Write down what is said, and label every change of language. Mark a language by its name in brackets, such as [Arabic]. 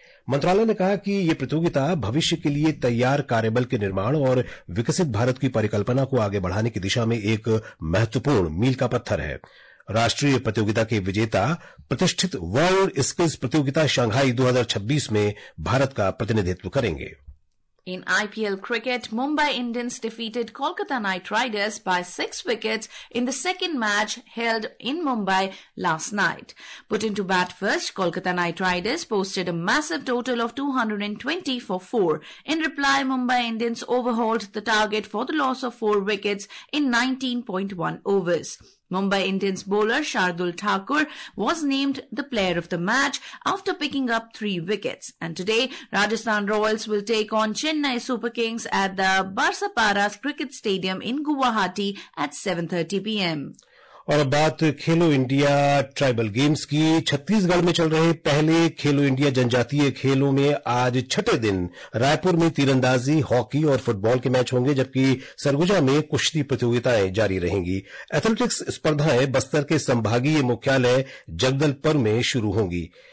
[Hindi] मंत्रालय ने कहा कि यह प्रतियोगिता भविष्य के लिए तैयार कार्यबल के निर्माण और विकसित भारत की परिकल्पना को आगे बढ़ाने की दिशा में एक महत्वपूर्ण मील का पत्थर है. राष्ट्रीय प्रतियोगिता के विजेता प्रतिष्ठित वर्ल्ड स्किल्स प्रतियोगिता शंघाई 2026 में भारत का प्रतिनिधित्व करेंगे. [English] In IPL cricket, Mumbai Indians defeated Kolkata Knight Riders by 6 wickets in the second match held in Mumbai last night. Put into bat first, Kolkata Knight Riders posted a massive total of 220 for 4. In reply, Mumbai Indians overhauled the target for the loss of 4 wickets in 19.1 overs. Mumbai Indians bowler Shardul Thakur was named the player of the match after picking up 3 wickets. And today, Rajasthan Royals will take on Chennai Super Kings at the Barsapara Cricket Stadium in Guwahati at 7:30 PM. [Hindi] और बात खेलो India tribal games की. छत्तीसगढ़ में चल रहे पहले खेलो India जनजातीय खेलों में आज छठे दिन रायपुर में तीरंदाजी, हॉकी और फुटबॉल के मैच होंगे जबकि सरगुजा में कुश्ती प्रतियोगिताएं जारी रहेंगी. एथलेटिक्स स्पर्धाएं बस्तर के संभागीय मुख्यालय जगदलपुर में शुरू होंगी.